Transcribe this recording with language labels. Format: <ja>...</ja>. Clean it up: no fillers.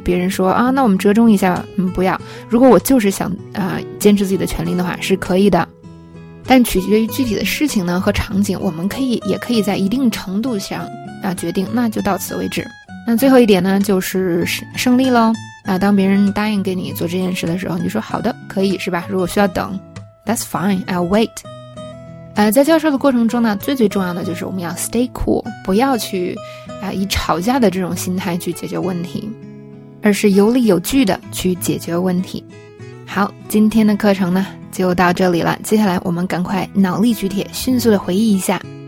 <zh>别人说啊，那我们折中一下，不要，如果我就是想坚持自己的权利的话是可以的，但取决于具体的事情呢和场景，我们也可以在一定程度上决定那就到此为止。那最后一点呢，就是胜利咯。当别人答应给你做这件事的时候，你说好的，可以，是吧？如果需要等，</zh> <en>That's fine, I'll wait。</en> <zh>在交涉的过程中呢，最最重要的就是我们要</zh> <en>stay cool，</en> <zh>不要去以吵架的这种心态去解决问题，而是有理有据的去解决问题。好，今天的课程呢就到这里了，接下来我们赶快脑力举铁，迅速的回忆一下</zh>